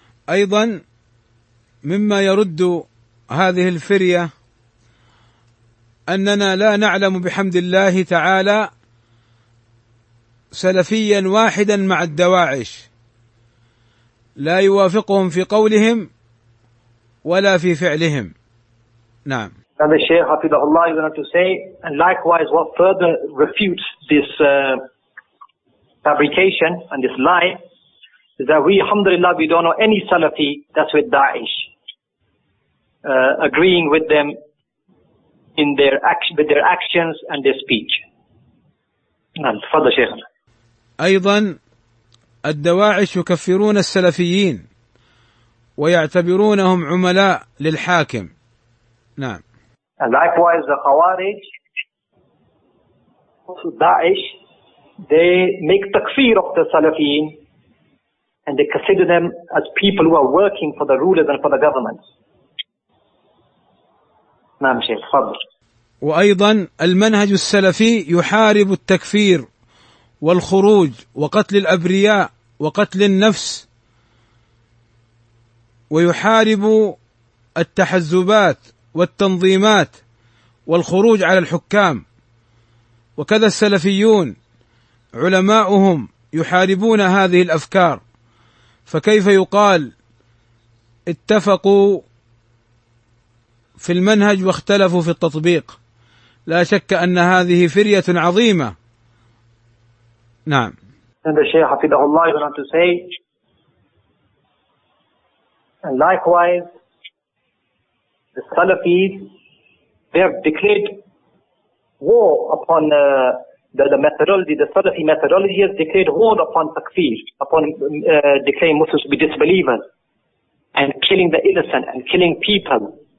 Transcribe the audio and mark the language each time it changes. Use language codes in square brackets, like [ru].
[ar] أيضا مما يرد هذه الفرية أننا لا نعلم بحمد الله تعالى سلفيا واحدا مع الدواعش لا يوافقهم في قولهم ولا في فعلهم. نعم. [en] And the Shaykh Hafidah Allah is going to say, and likewise what further refutes this fabrication and this lie is that we, alhamdulillah, we don't know any Salafi that's with Daesh, agreeing with them in their action, with their actions and their speech. [ar] نعم. تفضل شيخ. أيضا الدواعش يكفرون السلفيين ويعتبرونهم عملاء للحاكم. نعم. [en] And likewise the Khawarij, also Daesh, they make takfir of the Salafiyin and they consider them as people who are working for the rulers and for the government. [ar] نعم شيخ تفضل. وأيضا المنهج السلفي يحارب التكفير والخروج وقتل الأبرياء وقتل النفس ويحارب التحزبات والتنظيمات والخروج على الحكام. وكذا السلفيون علماؤهم يحاربون هذه الأفكار، فكيف يقال اتفقوا في المنهج واختلفوا في التطبيق؟ لا شك أن هذه فرية عظيمة. نعم. [en] And the Shaykh حفظه الله went on to say, and likewise, the Salafis, they have declared war upon the methodology, the Salafi methodology has declared war upon takfir, upon declaring Muslims to be disbelievers, and killing the innocent, and killing people.